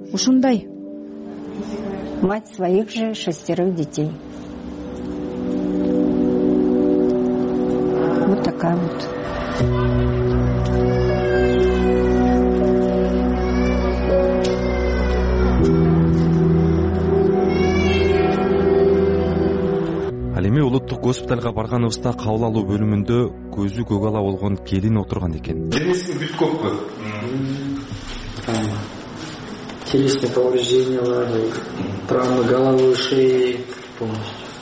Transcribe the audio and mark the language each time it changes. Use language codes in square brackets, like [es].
[ky] Ушундай. [ru] Мать своих же шестерых детей. Вот такая вот. [ky] Эми улуттук госпиталга барганыбызда кабыл алуу бөлүмүндө көзү көк ала болгон келин отурган экен. Денесинин бүт көккө. [ru] Телесные повреждения бар, травмы головы, шеи полностью.